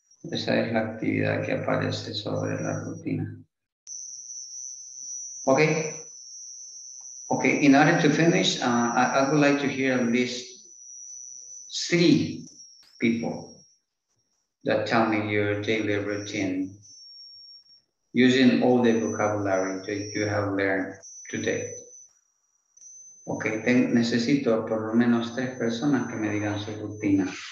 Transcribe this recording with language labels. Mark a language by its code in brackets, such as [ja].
[es] Esa es la actividad que aparece sobre la rutina. [en] Okay. Okay, in order to finish, I would like to hear at least three people that tell me your daily routine using all the vocabulary that you have learned today. [es] Okay, necesito por lo menos tres personas que me digan su rutina.